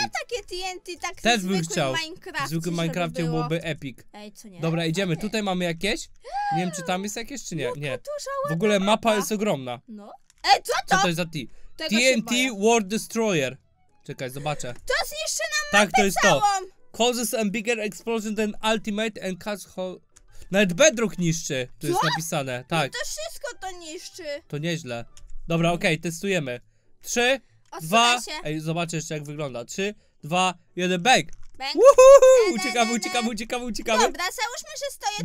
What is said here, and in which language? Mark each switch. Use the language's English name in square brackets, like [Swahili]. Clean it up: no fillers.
[Polish] takie TNT, tak też w bym chciał. W zwykłym Minecraft'cie było. Byłoby epic. Ej, co nie? Dobra, idziemy. Okay. Tutaj mamy jakieś? Nie wiem, czy tam jest jakieś, czy nie? Nie. W ogóle mapa jest ogromna. No. Ej, co to? Co to jest za TNT World Destroyer. Czekaj, zobaczę. To zniszczy nam mapę. Tak, to jest całą. [English] Causes a bigger explosion than ultimate and cuts whole... [Polish] Nawet bedrock niszczy, tu jest napisane. Tak. No to wszystko to niszczy. To nieźle. Dobra, okej, testujemy. 3, 2... Ej, zobaczę jeszcze jak wygląda. 3, 2, 1, bang! Bang! Woohoo! Uciekamy, uciekamy, uciekamy, uciekamy. Dobra, załóżmy, że stoję tu.